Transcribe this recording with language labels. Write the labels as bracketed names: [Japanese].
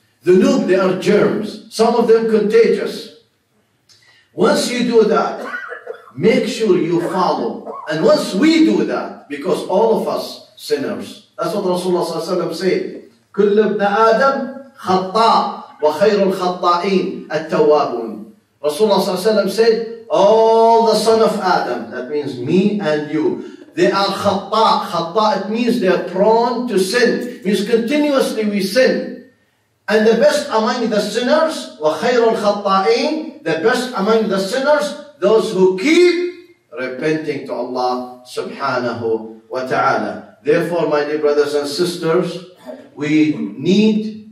[English] Dhunub, they are germs. Some of them contagious. Once you do that, make sure you follow. And once we do that, because all of us sinners, that's what Rasulullah sallallahu alayhi wa sallam said, كل ابن آدم خطاء. [Arabic] وخير الخطائين التوابون. [English] Rasulullah صلى الله عليه وسلم said, all the son of Adam, that means me and you, they are khatta. Khatta, it means they are prone to sin. It means continuously we sin. And the best among the sinners, وخير الخطائين, the best among the sinners, those who keep repenting to Allah subhanahu wa ta'ala. Therefore, my dear brothers and sisters, we need